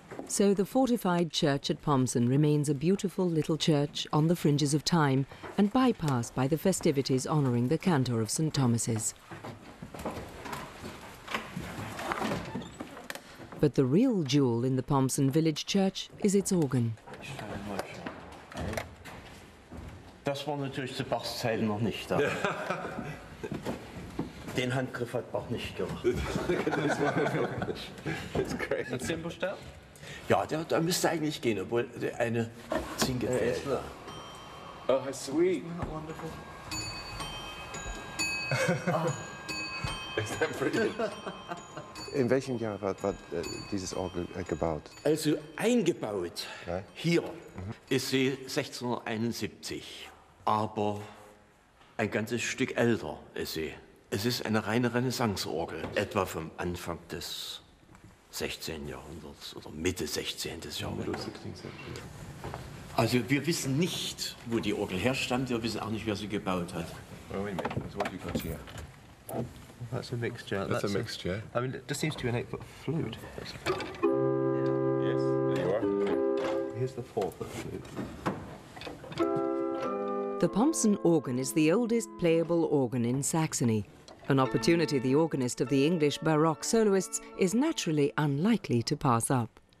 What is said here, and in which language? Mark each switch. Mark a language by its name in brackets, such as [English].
[English] So the fortified church at Pomsen remains a beautiful little church on the fringes of time and bypassed by the festivities honoring the cantor of St. Thomas's. But the real jewel in the Pomsen village church is its organ. [German] Das war natürlich zu Bachs Zeiten noch nicht da. Den Handgriff hat Bach nicht gemacht. [English] That's crazy. [German] Ein Zimbelstab? Ja, der müsste eigentlich gehen, obwohl eine Zinke fehlt. [English] Oh, how sweet. Isn't that wonderful? Is that brilliant? [German] In welchem Jahr war dieses Orgel gebaut? Also eingebaut, right, hier, mhm, ist sie 1671, aber ein ganzes Stück älter ist sie. Es ist eine reine Renaissance-Orgel, etwa vom Anfang des 16. Jahrhunderts oder Mitte 16. Jahrhunderts. Also wir wissen nicht, wo die Orgel herstammt, wir wissen auch nicht, wer sie gebaut hat. [English] Well, wait a minute. So what have you got here? That's a mixture. That's a mixture. I mean, this seems to be an 8-foot flute. Yeah. Yes, there you are. Here's the 4-foot flute. The Pomsen organ is the oldest playable organ in Saxony, an opportunity the organist of the English Baroque soloists is naturally unlikely to pass up.